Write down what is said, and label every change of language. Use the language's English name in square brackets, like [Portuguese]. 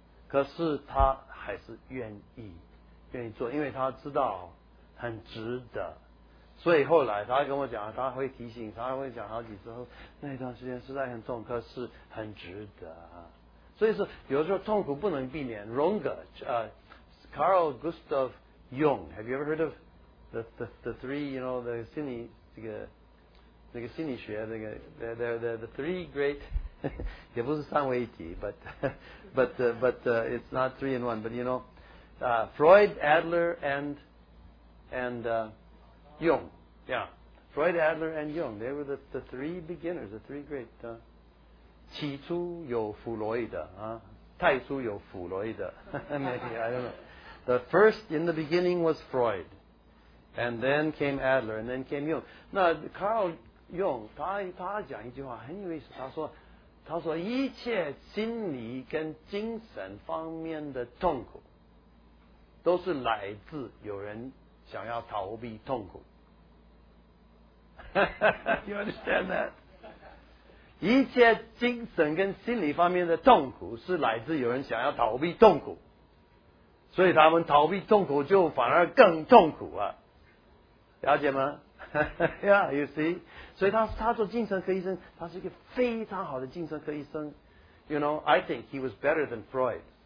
[Chinese] 可是他还是愿意做，因为他知道很值得。所以后来他跟我讲，他会提醒，他会讲好几次，那段时间实在很痛，可是很值得。所以说有时候痛苦不能避免。 [English] Carl Gustav Jung， have you ever heard of the three, you know, the [Chinese] 心理，这个心理学，那个 [English] the three great [Chinese] 也不是三位一体 [English] but it's not three in one, but you know Freud, Adler and Jung. Yeah, Freud, Adler and Jung, they were the three beginners, the three great [Chinese] 起初有弗洛伊德，太初有弗洛伊德 [English] maybe, I don't know. The first in the beginning was Freud, and then came Adler, and then came Jung. [Chinese] 那 Carl Jung 他讲一句话很有意思，他说一切心理跟精神方面的痛苦都是来自有人想要逃避痛苦。 [English] You understand that? [Chinese] 一切精神跟心理方面的痛苦是来自有人想要逃避痛苦。所以他们逃避痛苦就反而更痛苦了。了解吗？ [English] Yeah, you see? [Chinese] 所以他做精神科医生，他是一个非常好的精神科医生。 [English] You know, I think he was better than Freud.